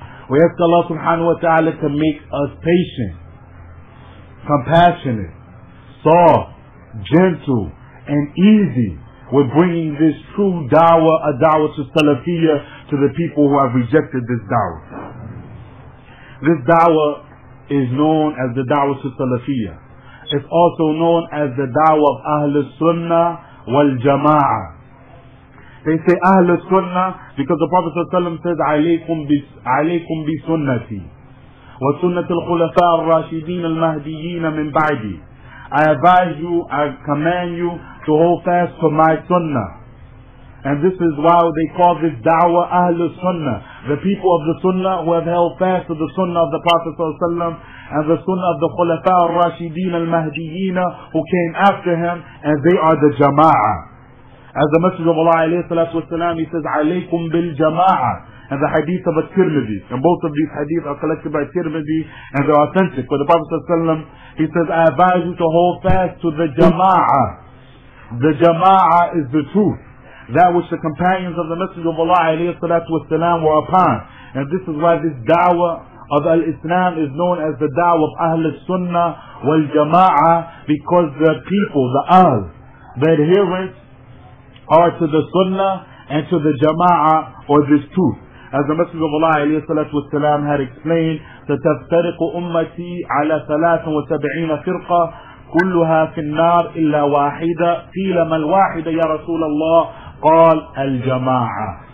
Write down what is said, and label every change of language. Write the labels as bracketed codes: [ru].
[en] We ask Allah subhanahu wa ta'ala to make us patient, compassionate, soft, gentle, and easy with bringing this true da'wah, a da'wah to Salafiyyah, to the people who have rejected this da'wah. This da'wah is known as the da'wah to Salafiyyah. It's also known as the da'wah of Ahl Sunnah wal Jama'ah. They say Ahl Sunnah because the Prophet ﷺ says [ar] عليكم بسنتي وسنة الخلفاء الراشدين المهديين من بعدي. [en] I advise you, I command you to hold fast to my Sunnah. And this is why they call this Dawah Ahl Sunnah, the people of the Sunnah who have held fast to the Sunnah of the Prophet ﷺ and the Sunnah of the [ar] خلفاء الراشدين المهديين [en] who came after him, and they are the Jama'ah. As the Messenger of Allah عليه الصلاة والسلام, he says [ar] عليكم بالجماعة, [en] and the hadith of At-Tirmidhi, and both of these hadith are collected by At-Tirmidhi and they're authentic. For the Prophet ﷺ, he says, I advise you to hold fast to the Jama'ah. The Jama'ah is the truth, that which the companions of the Messenger of Allah عليه الصلاة والسلام were upon. And this is why this da'wah of Al-Islam is known as the da'wah of Ahl Sunnah wal Jama'ah, because the people, the Ahl, the adherents are to the Sunnah and to the Jama'ah, or this truth. As the Messenger of Allah عليه الصلاة والسلام had explained, [ar] تَتَفْتَرِقُ أُمَّتِي عَلَى 73 فِرْقَةً كُلُّهَا فِي النَّارِ إِلَّا وَاحِدَةً قِيلَ مَا الْوَاحِدَةَ يَا رَسُولَ اللَّهِ قَالَ الْجَمَاعَةِ.